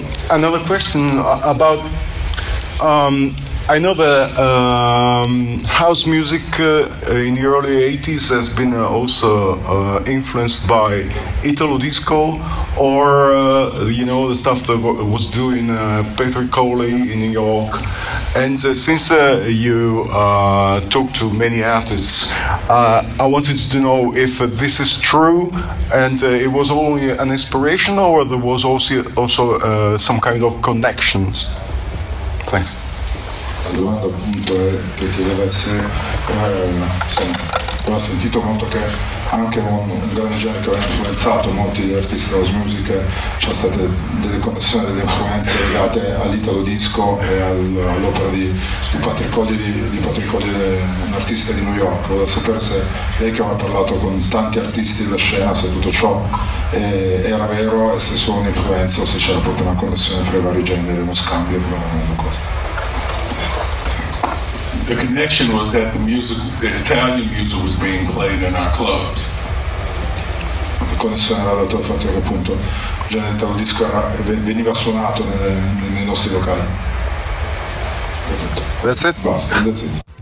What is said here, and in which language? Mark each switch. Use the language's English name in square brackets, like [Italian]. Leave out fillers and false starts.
[English] Another question about I know that house music in the early 80s has been also influenced by Italo disco, or you know, the stuff that was doing Peter Coley in New York. And since you talked to many artists, I wanted to know if this is true and it was only an inspiration, or there was also some kind of connections. Thanks. [Italian] La domanda appunto è perché deve essere, insomma, ho sentito molto che anche un grande genere che ha influenzato molti degli artisti della house music, c'è state delle connessioni, delle influenze legate all'Italo disco e all'opera di Patrick Coley, un artista di New York. Volevo sapere se lei, che ha parlato con tanti artisti della scena, se tutto ciò era vero e se solo un'influenza, o se c'era proprio una connessione fra i vari generi, uno scambio fra una cosa. [English] the connection was that the music, the Italian music, was being played in our clubs. [Italian] La connessione era dato al fatto che appunto già il disco era, veniva suonato nei nostri locali. [English] That's it. [Italian] Basta, [English] that's it.